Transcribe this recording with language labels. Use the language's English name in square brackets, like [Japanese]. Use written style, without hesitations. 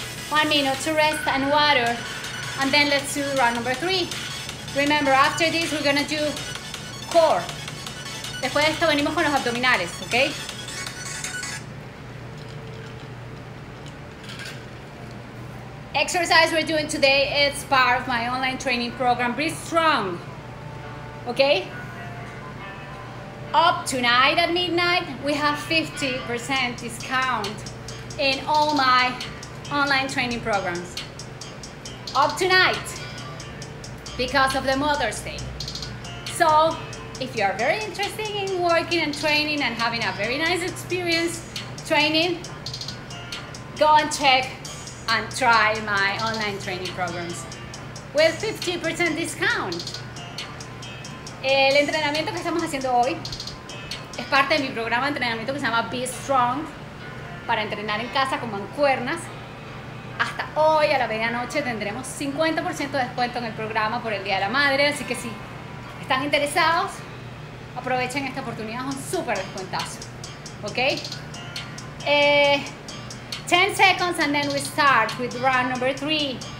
[English] 1 minute to rest and water, and then let's do round number 3. Remember, after this we're gonna do core. Después de esto venimos con los abdominales, ok? Exercise we're doing today is part of my online training program, Breathe Strong, ok? Up tonight at midnight, we have 50% discount in all my online training programs. Up tonight, because of the Mother's Day. So, if you are very interested in working and training and having a very nice experience training, go and check and try my online training programs with 50% discount. [Spanish] El entrenamiento que estamos haciendo hoy es parte de mi programa de entrenamiento que se llama Be Strong, para entrenar en casa con mancuernas. Hasta hoy a la medianoche tendremos 50% de descuento en el programa por el Día de la Madre, así que si están interesados, aprovechen esta oportunidad, es un súper descuentazo, ¿ok? [English] 10 seconds and then we start with round number 3.